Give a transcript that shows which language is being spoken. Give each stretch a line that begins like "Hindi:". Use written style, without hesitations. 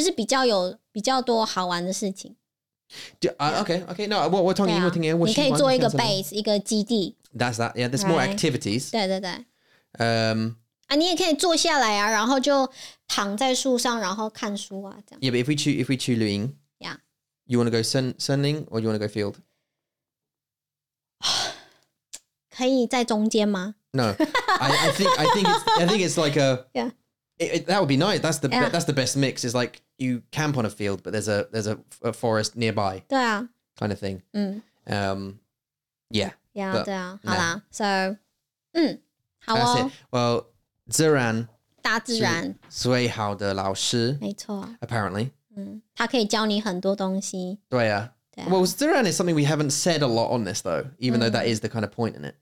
Chinese: 就是比较多好玩的吧，你可以捡木头，然后做东西啊，或者是就是比较有比较多好玩的事情。
English: Okay. No, what we're talking about, yeah.
Chinese: 你可以做一个base，一个基地。
English: That's that. Yeah, there's more activities.
Chinese: 对对对。你也可以坐下来啊，然后就躺在树上，然后看书啊，这样。
English: Yeah, but if we choose Luying, yeah. You want to go sunning or you want to go field?
Chinese: 可以在中间吗？
English: No, I think it's like a yeah. That would be nice. That's the that's the best mix. It's like you camp on a field, but there's a forest nearby.
Chinese: 对啊,
English: kind of thing. 嗯, yeah. Yeah. But,
Chinese: 对啊,
English: no.
Chinese: 好啦,
English: so, 嗯,
Chinese: 好哦,
English: that's it. Well, 自然,
Chinese: 大自然, 是最好的老师, 没错,
English: apparently.
Chinese: 嗯, 他可以教你很多东西. 对啊.
English: Well, 自然 is something we haven't said a lot on this though, even though that is the kind of point in it.